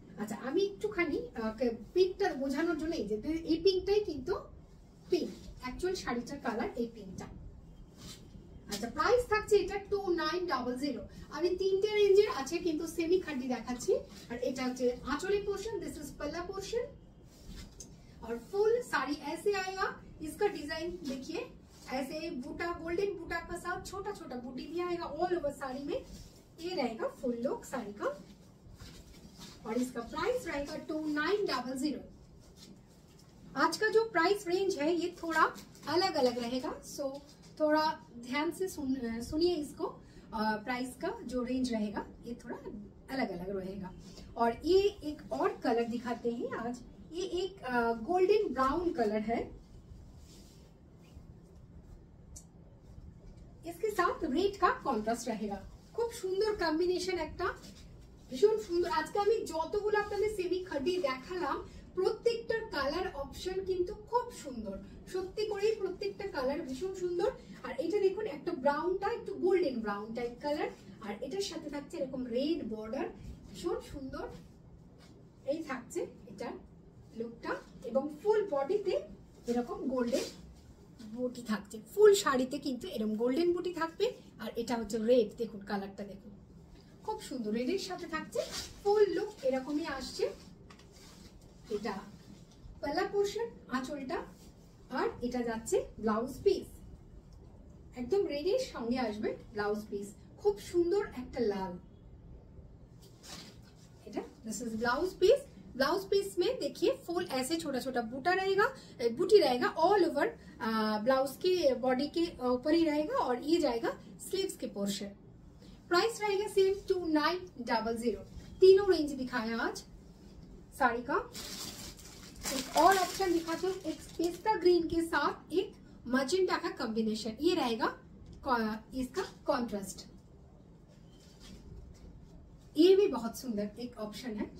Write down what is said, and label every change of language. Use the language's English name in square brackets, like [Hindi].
[Bangla] আচ্ছা আমি একটুখানি পিঙ্কটা বোঝানোর জন্য, এই যে এই পিঙ্কটাই কিন্তু পিঙ্ক অ্যাকচুয়াল শাড়িটার কালার, এই পিঙ্কটা। আচ্ছা প্রাইস থাকছে এটা 2900। আমি তিনটে রেঞ্জের আছে কিন্তু সেমি খাঁটি দেখাচ্ছি। আর এটা হচ্ছে আঁচলি পোর্শন, [English] this is পাল্লা portion, [Bangla] আর ফুল সারি এসে আয়া। [Hindi] ইসকা ডিজাইন দেখিয়ে, ऐसे बूटा गोल्डन बूटा का साथ छोटा छोटा बूटी भी आएगा ऑल ओवर साड़ी में, ये रहेगा फुल लुक साड़ी का। और इसका प्राइस रहेगा 2900। आज का जो प्राइस रेंज है ये थोड़ा अलग अलग रहेगा, सो थोड़ा ध्यान से सुनिए इसको। प्राइस का जो रेंज रहेगा ये थोड़ा अलग अलग रहेगा। और ये एक और कलर दिखाते हैं आज, ये एक गोल्डन ब्राउन कलर है, इसके साथ रेड का कॉन्ट्रास्ट रहेगा, खूब सुंदर कॉम्बिनेशन [Bangla] একটা, ভীষণ সুন্দর। আজকে আমি যতগুলো আপনাদের সেমি খাদি দেখালাম প্রত্যেকটা কালার অপশন কিন্তু খুব সুন্দর, সত্যি করে প্রত্যেকটা কালার ভীষণ সুন্দর। আর এটা দেখুন একটা ব্রাউনটা, একটু গোল্ডেন ব্রাউন টাইপ কালার, আর এটার সাথে থাকছে এরকম রেড বর্ডার, ভীষণ সুন্দর এই থাকছে এটার লুকটা। এবং ফুল বডিতে এরকম গোল্ডেন বুটি থাকছে, ফুল শাড়িতে কিন্তু এরকম গোল্ডেন বুটি থাকবে। আর এটা হচ্ছে রেড, দেখুন কালারটা দেখুন খুব সুন্দর, রেডের সাথে থাকছে ফুল লুক এরকমই আসছে। এটা পাল্লা পোর্শন আঁচলটা, আর এটা যাচ্ছে ব্লাউজ পিস, একদম রেডের সঙ্গে আসবে ব্লাউজ পিস, খুব সুন্দর একটা লাল। এটা [English] this is blouse piece, [Hindi] blouse piece में देखिए फुल ऐसे छोटा छोटा बूटा रहेगा, बूटी रहेगा ऑल ओवर ब्लाउज के बॉडी के ऊपर ही रहेगा, और ये जाएगा स्लीव्स के पोर्शन। प्राइस रहेगा सेम 2900। तीनों रेंज दिखाया आज साड़ी का, एक और ऑप्शन दिखा दो, एक पिस्ता ग्रीन के साथ एक मजेंटा का कॉम्बिनेशन, ये रहेगा इसका कॉन्ट्रास्ट, ये भी बहुत सुंदर एक ऑप्शन है।